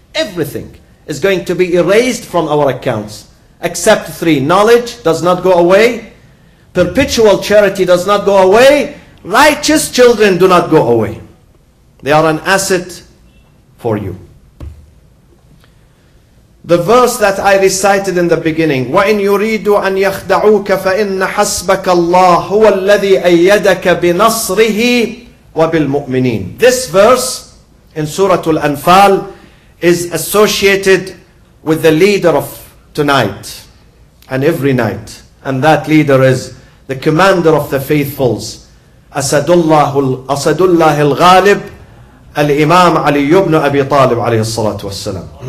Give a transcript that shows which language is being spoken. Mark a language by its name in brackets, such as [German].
[English] Everything is going to be erased from our accounts. Except three. Knowledge does not go away. Perpetual charity does not go away. Righteous children do not go away. They are an asset for you. The verse that I recited in the beginning, [Arabic] وَإِنْ يُرِيدُ أَنْ يَخْدَعُوكَ فَإِنَّ حَسْبَكَ اللَّهُ هُوَ الَّذِي أَيَّدَكَ بِنَصْرِهِ وَبِالْمُؤْمِنِينَ. [English] This verse in Surah Al-Anfal is associated with the leader of tonight and every night. And that leader is the commander of the faithfuls, Asadullah al-Ghalib, al-Imam Ali ibn Abi Talib alayhi salatu wassalam.